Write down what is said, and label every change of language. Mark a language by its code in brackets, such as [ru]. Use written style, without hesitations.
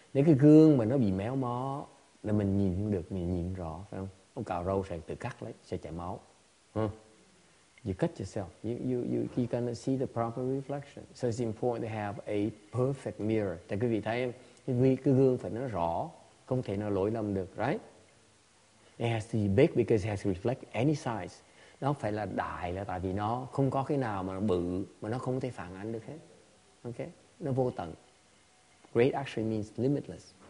[vi] Nếu cái gương mà nó bị méo mó, là mình nhìn không được, mình nhìn rõ, phải không? Ông cạo râu sẽ tự cắt lấy, sẽ chảy máu. [en] You cut yourself. You cannot see the proper reflection. So it's important to have a perfect mirror. [vi] Tại quý vị thấy em, vì cái gương phải nó rõ, không thể nó lỗi lầm được, right? [en] It has to be big because it has to reflect any size. [vi] Nó phải là đại là tại vì nó không có cái nào mà nó bự mà nó không thể phản ánh được hết. Okay, nó vô tận. [en] Great actually means limitless.